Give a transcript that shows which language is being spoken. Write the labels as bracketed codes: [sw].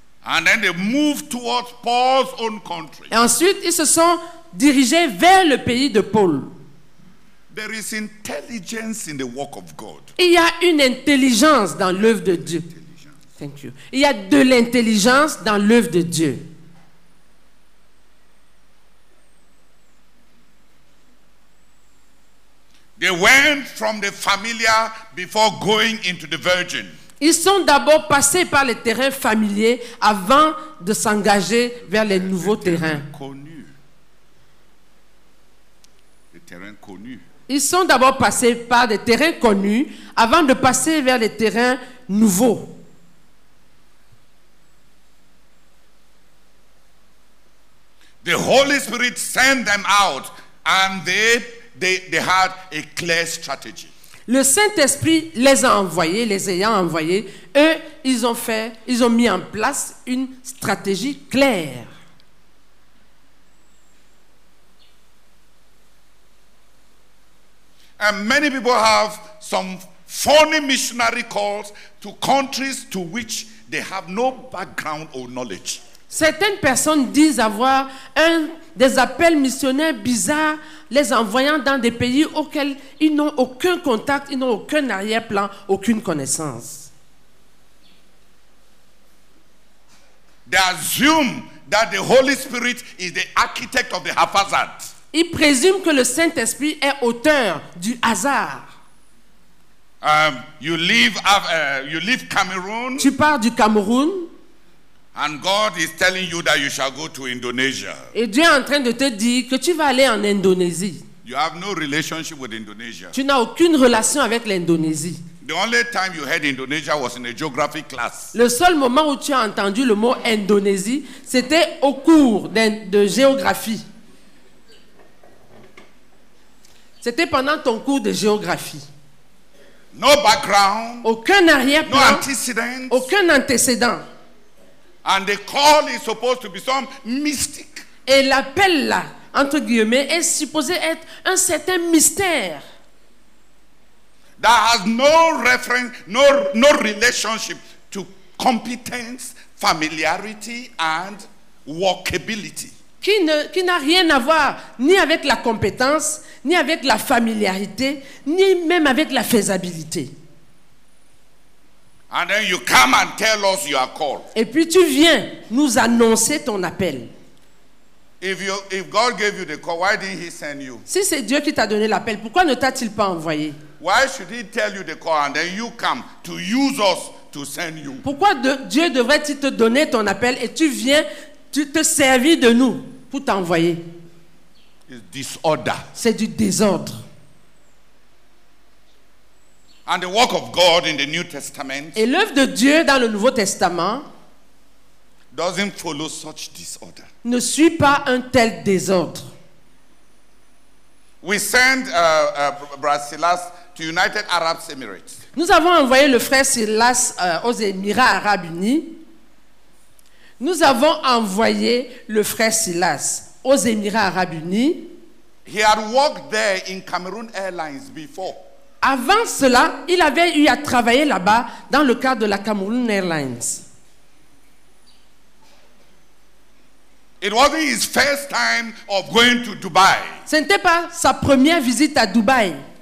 [en] And then they moved towards Paul's own country. [fr] Et ensuite, ils se sont dirigés vers le pays de Paul. [en] There is intelligence in the work of God. [fr] Il y a une intelligence dans l'œuvre de Dieu. [en] Thank you. [fr] Il y a de l'intelligence dans l'œuvre de Dieu. [en] They went from the familiar before going into the virgin. [fr] Ils sont d'abord passés par les terrains familiers avant de s'engager vers les nouveaux terrains. Les terrains connus. Ils sont d'abord passés par des terrains connus avant de passer vers les terrains nouveaux. [en] The Holy Spirit sent them out and they had a clear strategy. [fr] Le Saint-Esprit les a envoyés, les ayant envoyés, eux, ils ont mis en place une stratégie claire. [en] And many people have some funny missionary calls to countries to which they have no background or knowledge. [fr] Certaines personnes disent avoir des appels missionnaires bizarres, les envoyant dans des pays auxquels ils n'ont aucun contact, ils n'ont aucun arrière-plan, aucune connaissance. [en] They assume that the Holy Spirit is the architect of the haphazard. [fr] Ils présument que le Saint-Esprit est auteur du hasard. [en] You leave Cameroon. [fr] Tu pars du Cameroun. [en] And God is telling you that you shall go to Indonesia. [fr] Et Dieu est en train de te dire que tu vas aller en Indonésie. [en] You have no relationship with Indonesia. [fr] Tu n'as aucune relation avec l'Indonésie. [en] The only time you heard Indonesia was in a geography class. [fr] Le seul moment où tu as entendu le mot Indonésie, c'était au cours de géographie. C'était pendant ton cours de géographie. [en] No background. [fr] Aucun arrière-plan. [en] No antecedent. [fr] Aucun antécédent. [en] And the call is supposed to be some mystic. [fr] Et l'appel là, entre guillemets, est supposé être un certain mystère. [en] that has no reference, no relationship to competence, familiarity and workability. [fr] Qui n'a rien à voir ni avec la compétence, ni avec la familiarité, ni même avec la faisabilité. [en] And then you come and tell us your call. [fr] Et puis tu viens nous annoncer ton appel. [en] If God gave you the call, why didn't he send you? [fr] Si c'est Dieu qui t'a donné l'appel, pourquoi ne t'a-t-il pas envoyé? [en] Why should he tell you the call and then you come to use us to send you? [fr] Pourquoi Dieu devrait-il te donner ton appel et tu viens tu te servis de nous pour t'envoyer? [en] It's disorder. [fr] C'est du désordre. [en] And the work of God in the New Testament. [fr] Et l'œuvre de Dieu dans le Nouveau Testament. [en] Doesn't follow such disorder. [fr] Ne suit pas un tel désordre. [en] We send Brasilas to United Arab Emirates. [fr] Nous avons envoyé le frère Silas aux Émirats Arabes Unis. Nous avons envoyé le frère Silas aux Émirats Arabes Unis. [en] He had worked there in Cameroon Airlines before. [fr] Avant cela, il avait eu à travailler là-bas dans le cadre de la Cameroon Airlines. [en] It wasn't his first time of going to Dubai. [fr] Ce n'était pas sa première visite à Dubaï.